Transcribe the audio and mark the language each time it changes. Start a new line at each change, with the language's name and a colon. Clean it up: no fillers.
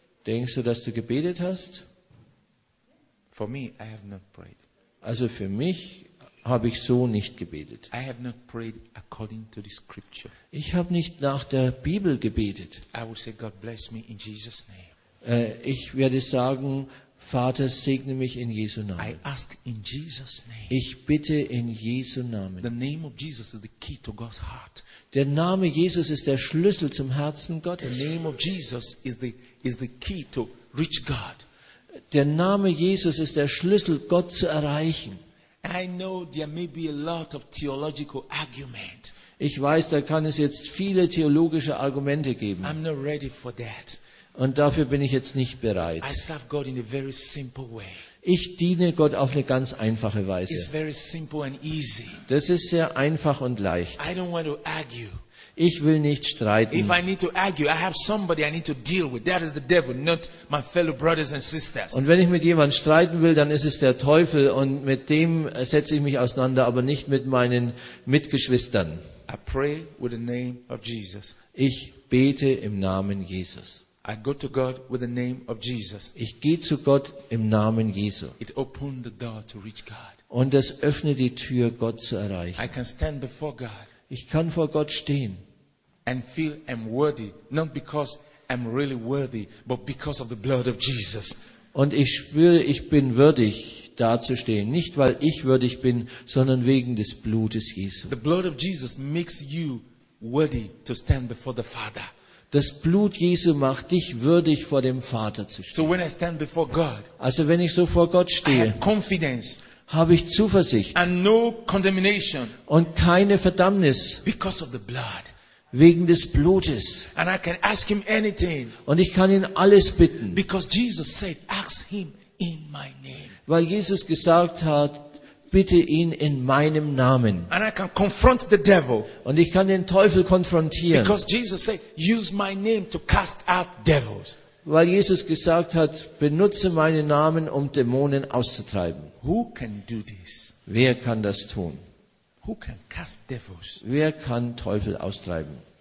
German: Denkst du, dass du gebetet hast?
English: For me, I have not prayed.
German: Also für mich habe ich so nicht gebetet.
English: I have not prayed according to the scripture.
German: Ich habe nicht nach der Bibel gebetet.
English: I will say, God bless me in Jesus' name.
German: Ich werde sagen, Vater, segne mich in Jesu Namen.
English: I ask in Jesus' name.
German: Ich bitte in Jesu Namen.
English: The name of Jesus is the key to God's heart.
German: Der Name Jesus ist der Schlüssel zum Herzen Gottes.
English: The name of Jesus is the key to reach God.
German: Der Name Jesus ist der Schlüssel, Gott zu erreichen.
English: I know there may be a lot of theological argument.
German: Ich weiß, da kann es jetzt viele theologische Argumente geben.
English: I'm not ready for that.
German: Und dafür bin ich jetzt nicht bereit.
English: I serve God in a very simple way.
German: Ich diene Gott auf eine ganz einfache Weise.
English: It's very simple and easy.
German: Das ist sehr einfach und leicht.
English: I don't want to argue.
German: Ich will nicht streiten.
English: If I need to argue, I have somebody I need to deal with. That is the devil, not my fellow brothers and sisters.
German: Und wenn ich mit jemandem streiten will, dann ist es der Teufel und mit dem setze ich mich auseinander, aber nicht mit meinen Mitgeschwistern.
English: I pray with the name of Jesus.
German: Ich bete im Namen Jesus.
English: I go to God with the name of Jesus.
German: Ich gehe zu Gott im Namen Jesu.
English: It opened the door to reach God.
German: Und es öffnet die Tür, Gott zu erreichen.
English: I can stand before God.
German: Ich kann vor Gott stehen.
English: And feel I'm worthy, not because I'm really worthy, but because of the blood of Jesus.
German: Und ich spüre, ich bin würdig, dazustehen. Nicht weil ich würdig bin, sondern wegen des Blutes Jesu.
English: The blood of Jesus makes you worthy to stand before the Father.
German: Das Blut Jesu macht dich würdig, vor dem Vater zu stehen.
English: So when I stand before God,
German: also wenn ich so vor Gott stehe,
English: I have confidence.
German: Habe ich Zuversicht
English: and no condemnation
German: und keine Verdammnis
English: because of the blood.
German: Wegen des Blutes.
English: And I can ask him anything.
German: Und ich kann ihn alles bitten.
English: Because Jesus said, ask him in my name.
German: Weil Jesus gesagt hat, bitte ihn in meinem Namen.
English: And I can confront the devil.
German: Und ich kann den Teufel konfrontieren.
English: Because Jesus said, use my name to cast out devils.
German: Weil Jesus gesagt hat, benutze meinen Namen, um Dämonen auszutreiben.
English: Who can do this?
German: Wer kann das tun?
English: Who can cast devils?
German: Wer kann Teufel austreiben?